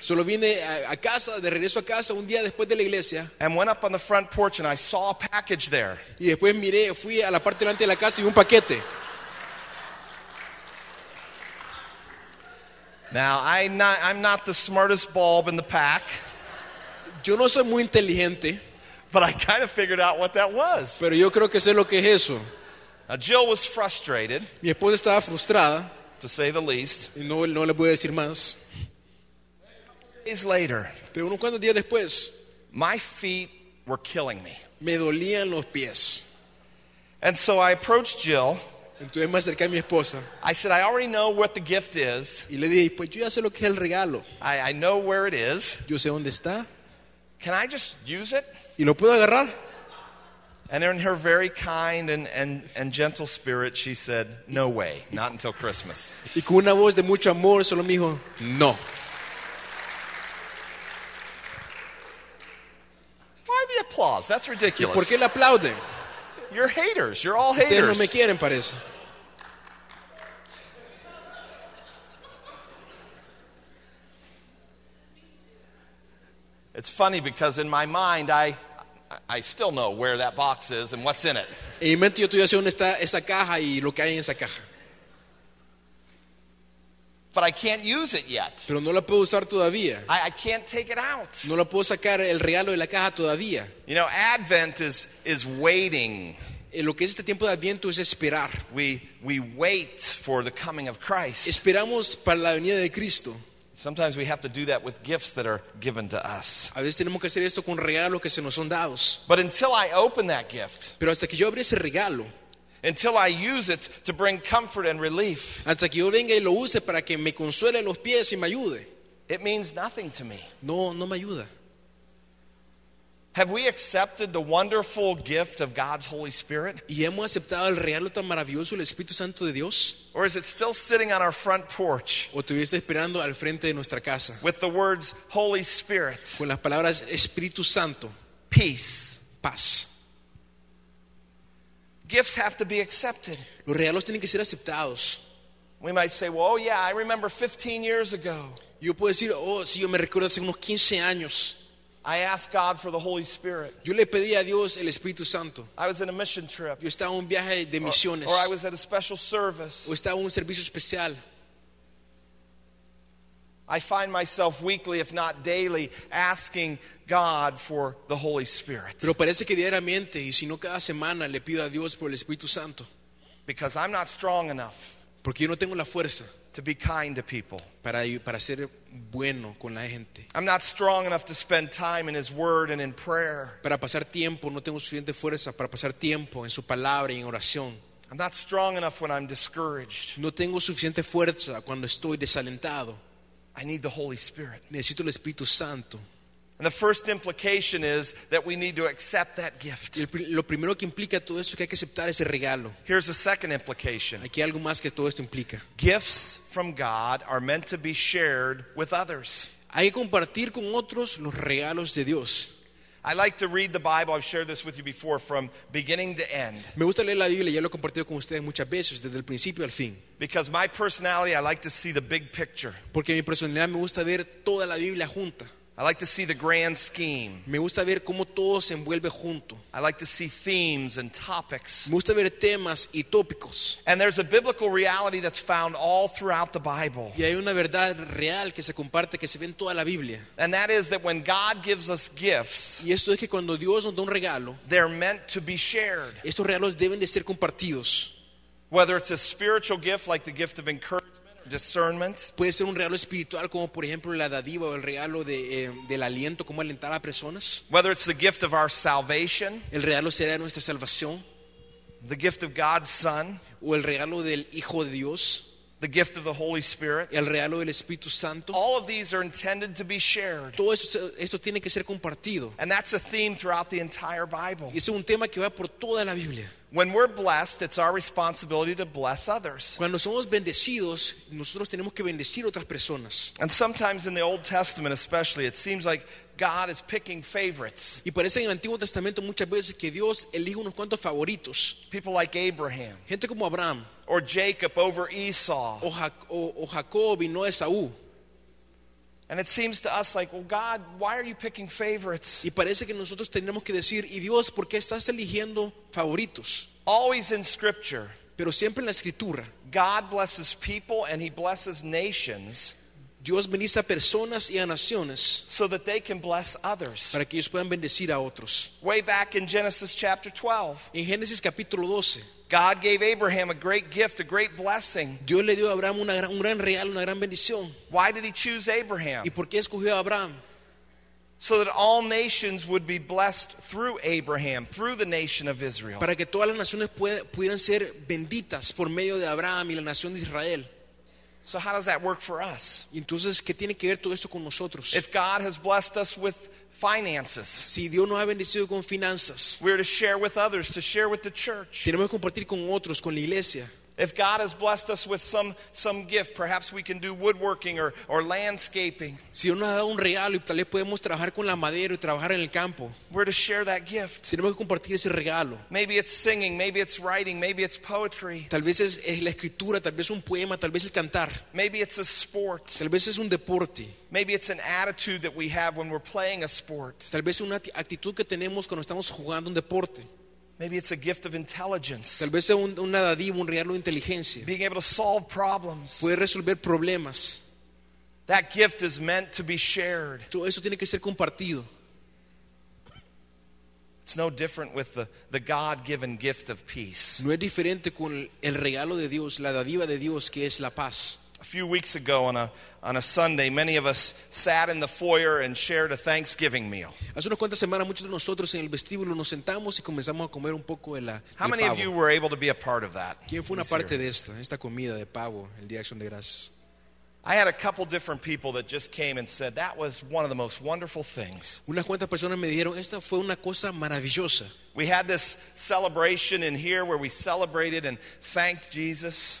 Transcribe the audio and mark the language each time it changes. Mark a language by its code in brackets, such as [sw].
[es] Solo vine a casa, de regreso a casa, un día después de la iglesia. [en] And went up on the front porch and I saw a package there. [es] Y después miré, fui a la parte delante de la casa y un paquete. [en] Now, I'm not the smartest bulb in the pack. [es] Yo no soy muy inteligente. [en] But I kind of figured out what that was. [es] Pero yo creo que sé lo que es eso. [en] Now, Jill was frustrated. [es] Mi esposa estaba frustrada. [en] To say the least. [es] Y no le voy a decir más. [en] Days later. [es] Pero unos cuantos días después. [en] My feet were killing me. [es] Me dolían los pies. [en] And so I approached Jill. [es] Entonces me acerqué a mi esposa. [en] I said, "I already know what the gift is." [es] Y le dije, pues yo ya sé lo que es el regalo. [en] I know where it is. [es] Yo sé dónde está. [en] Can I just use it? [es] ¿Y lo puedo agarrar? [en] And in her very kind and gentle spirit, she said, "No way, not until Christmas." [es] Y con una voz de mucho amor, solo me dijo, no. [en] Why the applause? That's ridiculous. [es] ¿Y por qué le aplauden? [en] You're haters. You're all haters. [es] Ustedes no me quieren, parece. [en] It's funny because in my mind, I still know where that box is and what's in it. [es] En mi mente yo todavía sé dónde está esa caja y lo que hay en esa caja. [en] But I can't use it yet. [es] Pero no la puedo usar todavía. [en] I can't take it out. [es] No la puedo sacar el regalo de la caja todavía. [en] You know, Advent is waiting. [es] Lo que es este tiempo de Adviento es esperar. [en] We wait for the coming of Christ. [es] Esperamos para la venida de Cristo. [en] Sometimes we have to do that with gifts that are given to us. [es] A veces tenemos que hacer esto con regalos que se nos son dados. [en] But until I open that gift. [es] Pero hasta que yo abrí ese regalo. [en] Until I use it to bring comfort and relief. [es] Hasta que yo venga y lo use para que me consuele los pies y me ayude. [en] It means nothing to me. [es] No me ayuda. [en] Have we accepted the wonderful gift of God's Holy Spirit? [es] ¿Y hemos aceptado el regalo tan maravilloso del Espíritu Santo de Dios? [en] Or is it still sitting on our front porch? [es] ¿O estuviste esperando al frente de nuestra casa? [en] With the words Holy Spirit. [es] Con las palabras Espíritu Santo. [en] Peace. [es] Paz. [en] Gifts have to be accepted. [es] Los regalos tienen que ser aceptados. [en] We might say, "Well, oh yeah, I remember 15 years ago." [es] Yo puedo decir, "Oh, sí, yo me recuerdo hace unos 15 años." [en] I asked God for the Holy Spirit. [es] Yo le pedí a Dios el Espíritu Santo. [en] I was in a mission trip. [es] Yo estaba en un viaje de misiones. [en] Or I was at a special service. [es] O estaba en un servicio especial. [en] I find myself weekly, if not daily, asking God for the Holy Spirit. [es] Pero parece que diariamente, y si no cada semana, le pido a Dios por el Espíritu Santo. [en] Because I'm not strong enough. [es] Porque yo no tengo la fuerza. [en] To be kind to people. [es] Para ser bueno con la gente. [en] I'm not strong enough to spend time in His Word and in prayer. [es] Para pasar tiempo, no tengo suficiente fuerza para pasar tiempo en su palabra y en oración. [en] I'm not strong enough when I'm discouraged. [es] No tengo suficiente fuerza cuando estoy desalentado. [en] I need the Holy Spirit. [es] Necesito el Espíritu Santo. [en] And the first implication is that we need to accept that gift. [es] Lo primero que implica todo esto es que hay que aceptar ese regalo. [en] Here's the second implication. [es] Aquí hay algo más que todo esto implica. [en] Gifts from God are meant to be shared with others. [es] Hay que compartir con otros los regalos de Dios. [en] I like to read the Bible. I've shared this with you before from beginning to end. [es] Me gusta leer la Biblia, ya lo he compartido con ustedes muchas veces desde el principio al fin. [en] Because my personality, I like to see the big picture. [es] Porque mi personalidad me gusta ver toda la Biblia junta. [en] I like to see the grand scheme. [es] Me gusta ver cómo todo se envuelve junto. [en] I like to see themes and topics. [es] Me gusta ver temas y tópicos. [en] And there's a biblical reality that's found all throughout the Bible. [es] Y hay una verdad real que se comparte, que se ve en toda la Biblia. [en] And that is that when God gives us gifts, [es] y esto es que cuando Dios nos da un regalo, [en] they're meant to be shared. [es] Estos regalos deben de ser compartidos. [en] Whether it's a spiritual gift like the gift of encouragement, discernment. [es] Puede ser un regalo espiritual como por ejemplo la dádiva o el regalo de del aliento, como alentar a personas. [en] Whether it's the gift of our salvation. [es] El regalo será nuestra salvación. [en] The gift of God's Son. [es] O el regalo del Hijo de Dios. [en] The gift of the Holy Spirit. [es] El regalo del Espíritu Santo. [en] All of these are intended to be shared. [es] Todo esto tiene que ser compartido. [en] And that's a theme throughout the entire Bible. [es] Y es un tema que va por toda la Biblia. [en] When we're blessed, it's our responsibility to bless others. [es] Cuando somos bendecidos, nosotros tenemos que bendecir otras personas. [en] And sometimes in the Old Testament especially, it seems like God is picking favorites. [es] Y parece en el Antiguo Testamento muchas veces que Dios elige unos cuantos favoritos. [en] People like Abraham. [es] Gente como Abraham. [en] Or Jacob over Esau. [es] O Jacob y no Esaú. [en] And it seems to us like, well, God, why are you picking favorites? [es] Y parece que nosotros tenemos que decir, y Dios, ¿por qué estás eligiendo favoritos? [en] Always in Scripture. [es] Pero siempre en la Escritura. [en] God blesses people and he blesses nations. [es] Dios bendice a personas y a naciones. [en] So that they can bless others. [es] Para que ellos puedan bendecir a otros. [en] Way back in Genesis chapter 12. [es] En Génesis capítulo 12. [en] God gave Abraham a great gift, a great blessing. [es] Dios le dio a Abraham un gran regalo, una gran bendición. [en] Why did he choose Abraham? [es] ¿Y por qué escogió a Abraham? [en] So that all nations would be blessed through Abraham, through the nation of Israel. [es] Para que todas las naciones pudieran ser benditas por medio de Abraham y la nación de Israel. [en] So how does that work for us? [es] Entonces, ¿qué tiene que ver todo esto con nosotros? [en] If God has blessed us with finances. [es] Si Dios nos ha bendecido con finanzas. [en] We are to share with others, to share with the church. [es] Tenemos que compartir con otros, con la iglesia. [en] If God has blessed us with some gift, perhaps we can do woodworking or landscaping. [es] Si Dios nos ha dado un regalo y tal vez podemos trabajar con la madera y trabajar en el campo. [en] We're to share that gift. [es] Tenemos que compartir ese regalo. [en] Maybe it's singing, maybe it's writing, maybe it's poetry. [es] Tal vez es la escritura, tal vez un poema, tal vez el cantar. [en] Maybe it's a sport. [es] Tal vez es un deporte. [en] Maybe it's an attitude that we have when we're playing a sport. [es] Tal vez una actitud que tenemos cuando estamos jugando un deporte. [en] Maybe it's a gift of intelligence. [es] Tal vez sea una dádiva, un regalo de inteligencia. [en] Being able to solve problems. [es] Poder resolver problemas. [en] That gift is meant to be shared. [es] Todo eso tiene que ser compartido. [en] It's no different with the God-given gift of peace. [es] No es diferente con el regalo de Dios, la dádiva de Dios, que es la paz. [en] A few weeks ago on a Sunday, many of us sat in the foyer and shared a Thanksgiving meal. [es] Hace unas cuantas semanas muchos de nosotros en el vestíbulo nos sentamos y comenzamos a comer un poco el pavo. [en] How many of you were able to be a part of that? [es] ¿Quién fue una parte de esta comida de pavo, el Día de Acción de Gracias? [en] I had a couple different people that just came and said that was one of the most wonderful things. [es] Unas cuantas personas me dijeron esta fue una cosa maravillosa. [en] We had this celebration in here where we celebrated and thanked Jesus.